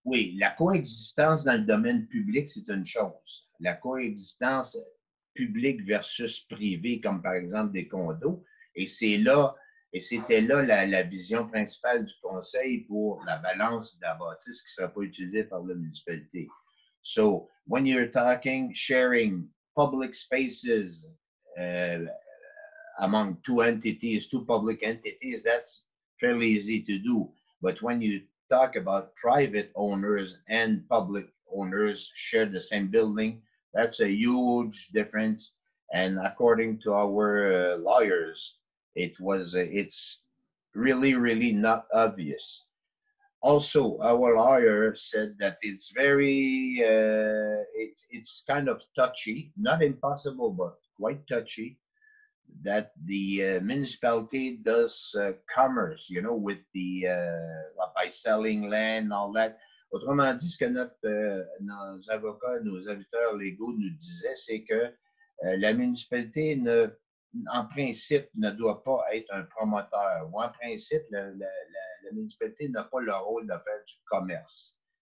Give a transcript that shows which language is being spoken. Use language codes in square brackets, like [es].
[fr] Oui, la coexistence dans le domaine public, c'est une chose. La coexistence publique versus privée, comme par exemple des condos, et c'est là, et c'était là la vision principale du conseil pour la balance de la bâtisse qui ne sera pas utilisée par la municipalité. [en] So, when you're talking sharing public spaces among two entities, two public entities, that's fairly easy to do. But when you talk about private owners and public owners share the same building, that's a huge difference. And according to our lawyers, it's really, really not obvious. Also, our lawyer said that it's kind of touchy, not impossible, but quite touchy. That the municipality does commerce, you know, with the by selling land and all that. [fr] Autrement dit, ce que nos avocats, nos avocats légaux nous disaient, c'est que la municipalité ne, en principe, ne doit pas être un promoteur. Ou en principe, la municipalité n'a pas le rôle de faire du commerce.